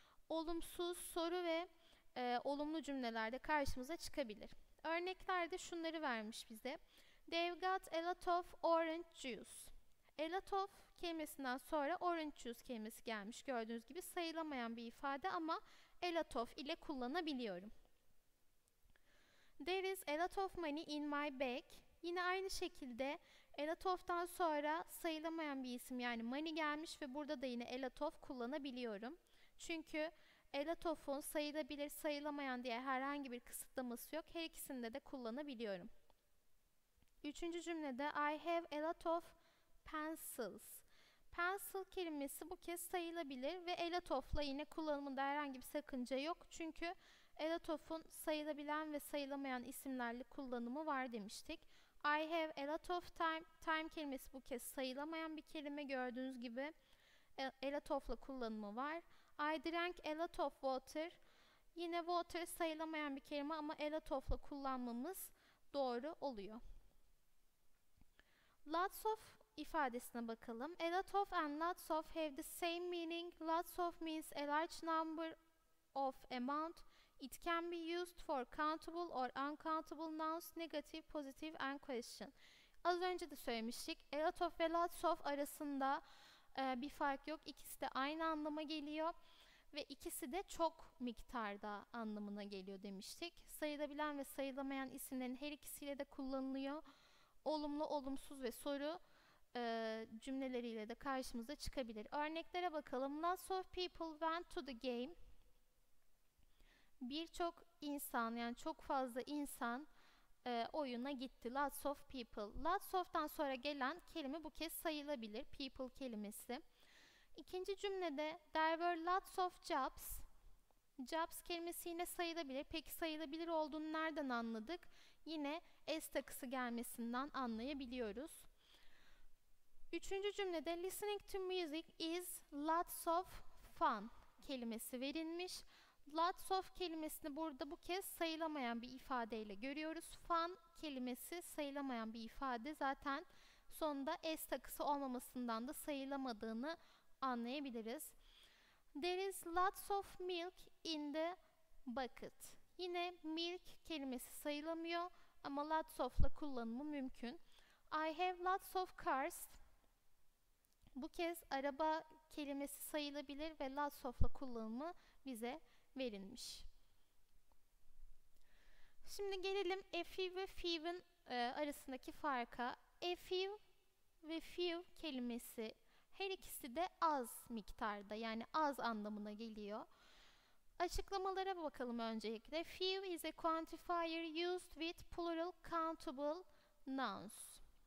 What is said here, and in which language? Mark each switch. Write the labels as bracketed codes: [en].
[tr] Olumsuz soru ve olumlu cümlelerde karşımıza çıkabilir. Örneklerde şunları vermiş bize. [en] They've got a lot of orange juice. [tr] A lot of kelimesinden sonra orange juice kelimesi gelmiş. Gördüğünüz gibi sayılamayan bir ifade ama a lot of ile kullanabiliyorum. [en] There is a lot of money in my bag. [tr] Yine aynı şekilde a lot of'tan sonra sayılamayan bir isim, yani money gelmiş ve burada da yine a lot of kullanabiliyorum. Çünkü a lot of'un sayılabilir, sayılamayan diye herhangi bir kısıtlaması yok. Her ikisinde de kullanabiliyorum. Üçüncü cümlede [en] I have a lot of pencils. [tr] apple kelimesi bu kez sayılabilir ve elatofla yine kullanımında herhangi bir sakınca yok. Çünkü elatofun sayılabilen ve sayılamayan isimlerle kullanımı var demiştik. [en] I have a lot of time. [tr] Time kelimesi bu kez sayılamayan bir kelime, gördüğünüz gibi a lot of'la kullanımı var. [en] I drank a lot of water. [tr] Yine water sayılamayan bir kelime ama a lot of'la kullanmamız doğru oluyor. Lots of ifadesine bakalım. [en] A lot of and lots of have the same meaning. Lots of means a large number of amount. It can be used for countable or uncountable nouns, negative, positive and question. [tr] Az önce de söylemiştik. A lot of ve lots of arasında bir fark yok. İkisi de aynı anlama geliyor. Ve ikisi de çok miktarda anlamına geliyor demiştik. Sayılabilen ve sayılamayan isimlerin her ikisiyle de kullanılıyor. Olumlu, olumsuz ve soru cümleleriyle de karşımıza çıkabilir. Örneklere bakalım. [en] Lots of people went to the game. [tr] Birçok insan, yani çok fazla insan oyuna gitti. Lots of people. Lots of'tan sonra gelen kelime bu kez sayılabilir. People kelimesi. İkinci cümlede [en] there were lots of jobs. [tr] Jobs kelimesi yine sayılabilir. Peki sayılabilir olduğunu nereden anladık? Yine s takısı gelmesinden anlayabiliyoruz. Üçüncü cümlede [en] listening to music is lots of fun [tr] kelimesi verilmiş. Lots of kelimesini burada bu kez sayılamayan bir ifadeyle görüyoruz. Fun kelimesi sayılamayan bir ifade. Zaten sonunda s takısı olmamasından da sayılamadığını anlayabiliriz. [en] There is lots of milk in the bucket. [tr] Yine milk kelimesi sayılamıyor ama lots of'la kullanımı mümkün. [en] I have lots of cars. [tr] Bu kez araba kelimesi sayılabilir ve lots of'la kullanımı bize verilmiş. Şimdi gelelim a few ve few'ın arasındaki farka. A few ve few kelimesi her ikisi de az miktarda, yani az anlamına geliyor. Açıklamalara bakalım öncelikle. [en] Few is a quantifier used with plural countable nouns.